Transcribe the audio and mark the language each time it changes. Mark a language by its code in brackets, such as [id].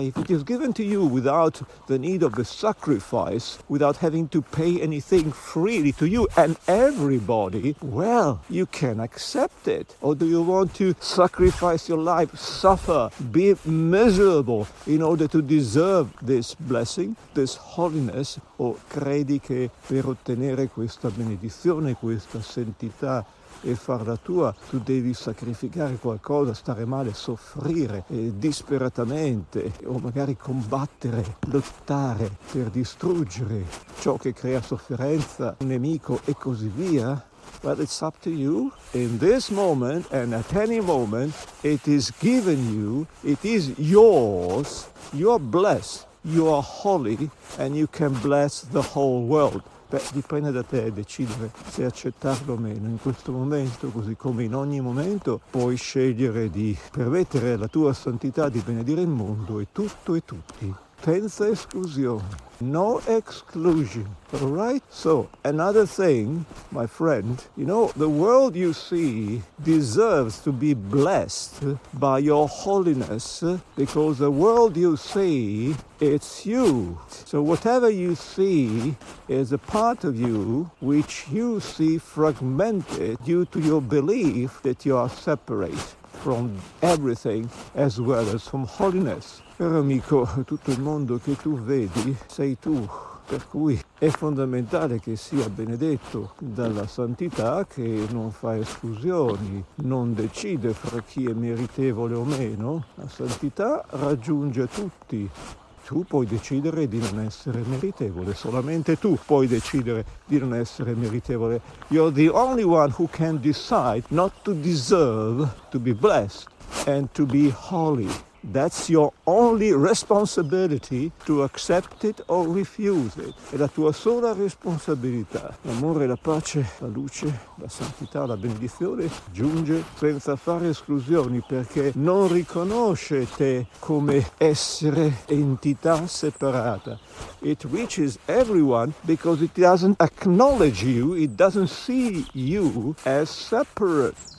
[en] If it is given to you without the need of a sacrifice, without having to pay anything freely to you and everybody, well, you can accept it. Or do you want to sacrifice your life, suffer, be miserable in order to deserve this blessing, this holiness? [it] O credi che per ottenere questa benedizione, questa santità e farla tua, tu devi sacrificare qualcosa, stare male, soffrire disperatamente o magari combattere, lottare per distruggere ciò che crea sofferenza, un nemico e così via? [en] Well, it's up to you. In this moment and at any moment, it is given you, it is yours, you are blessed, you are holy and you can bless the whole world. [it] Beh, dipende da te decidere se accettarlo o meno. In questo momento, così come in ogni momento, puoi scegliere di permettere la tua santità di benedire il mondo e tutto e tutti, senza esclusione. [en] No exclusion, right? So, another thing, my friend, you know, the world you see deserves to be blessed by your holiness, because the world you see, it's you. So whatever you see is a part of you which you see fragmented due to your belief that you are separate from everything as well as from holiness. [it] Però amico, tutto il mondo che tu vedi sei tu, per cui è fondamentale che sia benedetto dalla santità che non fa esclusioni, non decide fra chi è meritevole o meno. La santità raggiunge tutti. Tu puoi decidere di non essere meritevole, solamente tu puoi decidere di non essere meritevole. [en] You're the only one who can decide not to deserve to be blessed and to be holy. That's your only responsibility, to accept it or refuse it. [it] È la tua sola responsabilità. L'amore, la pace, la luce, la santità, la benedizione giunge senza fare esclusioni, perché non riconosce te come essere entità separata. [en] It reaches everyone because it doesn't acknowledge you, it doesn't see you as separate.